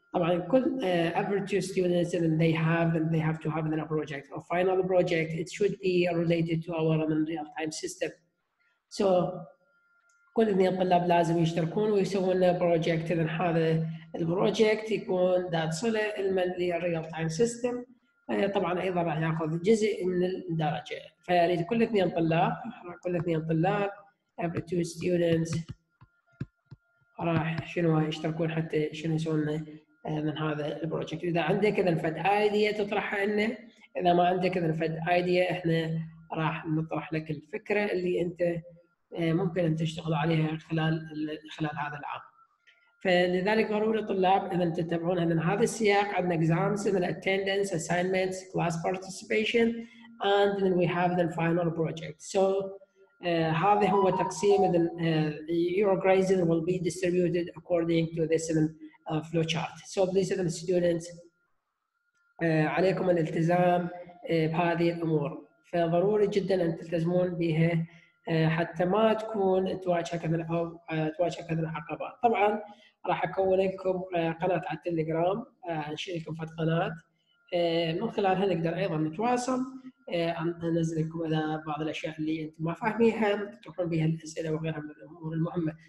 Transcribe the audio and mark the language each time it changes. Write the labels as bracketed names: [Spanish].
[English] طبعا [Arabic] كل [English] every two students they have to have a project or final project, it should be related to our real time system. [Arabic] So كل اثنين طلاب لازم يشتركون ويسوون بروجكت، اذا هذا البروجكت يكون ذات صله للريال تايم سيستم، طبعا ايضا راح ياخذ جزء من الدرجه. فيريد كل اثنين طلاب، [English] every two students [Arabic] راح شنو يشتركون حتى شنو يسوون من هذا البروجكت. اذا عندك اذا فد ايديا تطرحها لنا، اذا ما عندك اذا فد ايديا احنا راح نطرح لك الفكره اللي انت ممكن ان تشتغل عليها خلال هذا العام. فلذلك ضروري الطلاب اذا تتبعون من هذا السياق، عندنا [English] exams and attendance assignments class participation and then we have the final project. So [Arabic] هذا هو تقسيم [English] your grades will be distributed according to this flow chart. So please the students [Arabic] عليكم الالتزام بهذه الأمور. فضروري جدا أن تلتزمون بها حتى ما تكون تواجه كذا العقبات. طبعا راح أكون لكم قناة على التليجرام، أنشئ لكم فت قناة من خلالها نقدر أيضا نتواصل، أنزل لكم إذا بعض الأشياء اللي أنتم ما فاهميها تروحون بها الأسئلة وغيرها من الأمور المهمة.